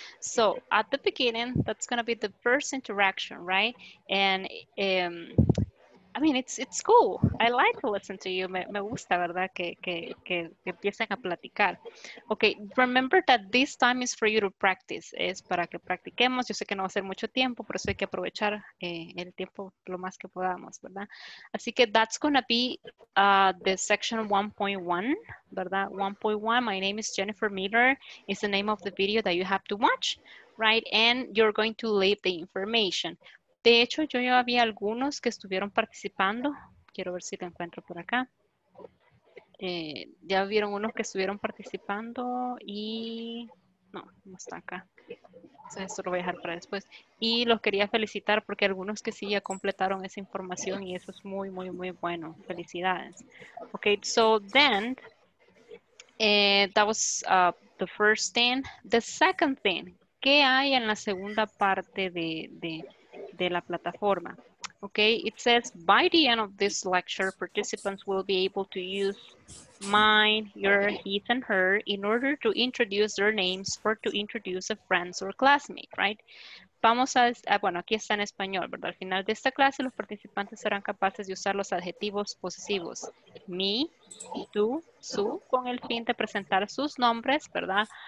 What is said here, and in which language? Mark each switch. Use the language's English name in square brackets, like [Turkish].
[English] So at the beginning, that's gonna be the first interaction, right? And I mean, it's cool. I like to listen to you. [Spanish] Me gusta, ¿verdad? Que empiecen a platicar. [English] Okay, remember that this time is for you to practice. [Spanish] Es para que practiquemos. Yo sé que no va a ser mucho tiempo, pero eso hay que aprovechar el tiempo lo más que podamos, ¿verdad? Así que [English] that's gonna be the section 1.1, ¿verdad? 1.1, my name is Jennifer Miller. It's the name of the video that you have to watch, right? And you're going to leave the information. [Spanish] De hecho, yo ya había algunos que estuvieron participando. Quiero ver si lo encuentro por acá. Ya vieron unos que estuvieron participando y... No, no está acá. Entonces, esto lo voy a dejar para después. Y los quería felicitar porque algunos que sí ya completaron esa información y eso es muy, muy, muy bueno. Felicidades. [English] Okay, so then, that was the first thing. The second thing, [Spanish] ¿qué hay en la segunda parte de la plataforma? [English] Okay, it says by the end of this lecture, participants will be able to use mine, your, his, and her in order to introduce their names or to introduce a friend or classmate, right? [Spanish] Vamos a, bueno, aquí está en español, ¿verdad? Al final de esta clase, los participantes serán capaces de usar los adjetivos posesivos me, tú, su, con el fin de presentar sus nombres, ¿verdad?